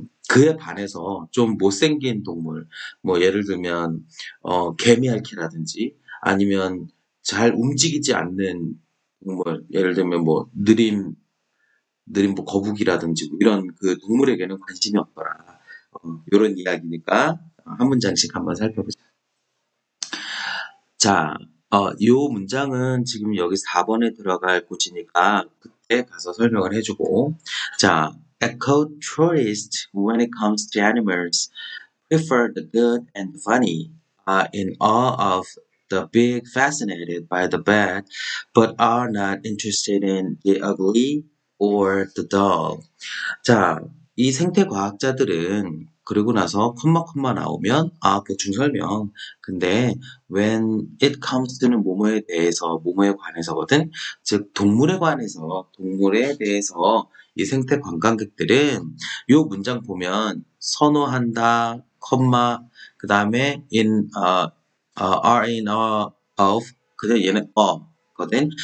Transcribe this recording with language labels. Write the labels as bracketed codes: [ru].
[ko] 그에 반해서 좀 못생긴 동물, 뭐 예를 들면 개미핥기라든지 아니면 잘 움직이지 않는 동물, 예를 들면 뭐 느림 뭐 거북이라든지 뭐 이런 그 동물에게는 관심이 없더라. 이런 이야기니까 한 문장씩 한번 살펴보자. 자, 요 문장은 지금 여기 4번에 들어갈 곳이니까 그때 가서 설명을 해주고. [en] 자, ecotourists, when it comes to animals, prefer the good and the funny, are in awe of the big, fascinated by the bad, but are not interested in the ugly or the dull. [ko] 자, 이 생태 과학자들은 그리고 나서 콤마 나오면 아 보충 설명. 근데 [en] when it comes to [ko] 는 뭐뭐에 대해서, 뭐뭐에 관해서거든. 즉 동물에 관해서, 동물에 대해서 이 생태 관광객들은 요 문장 보면 선호한다 콤마 그다음에 [en] in are in awe of [ko] 그냥 얘는 awe거든.